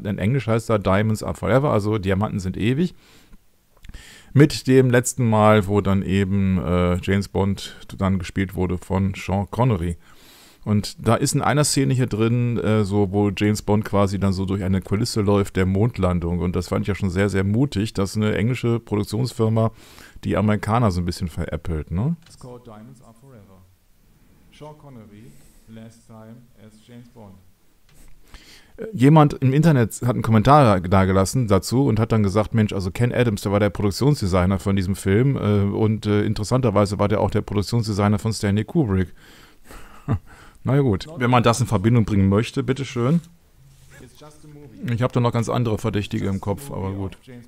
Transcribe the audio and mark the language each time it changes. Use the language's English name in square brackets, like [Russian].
[German] In Englisch heißt er Diamonds Are Forever, also Diamanten sind ewig. Mit dem letzten Mal, wo dann eben James Bond dann gespielt wurde von Sean Connery. Und da ist in einer Szene hier drin, so wo James Bond quasi dann so durch eine Kulisse läuft, der Mondlandung. Und das fand ich ja schon sehr, sehr mutig, dass eine englische Produktionsfirma die Amerikaner so ein bisschen veräppelt, ne? [English] It's called Diamonds Are Forever. Sean Connery, last time as James Bond. [German] Jemand im Internet hat einen Kommentar dagelassen dazu und hat dann gesagt, Mensch, also Ken Adams, der war der Produktionsdesigner von diesem Film und interessanterweise war der auch der Produktionsdesigner von Stanley Kubrick. Na ja gut, wenn man das in Verbindung bringen möchte, bitteschön. Ich habe da noch ganz andere Verdächtige im Kopf, aber gut.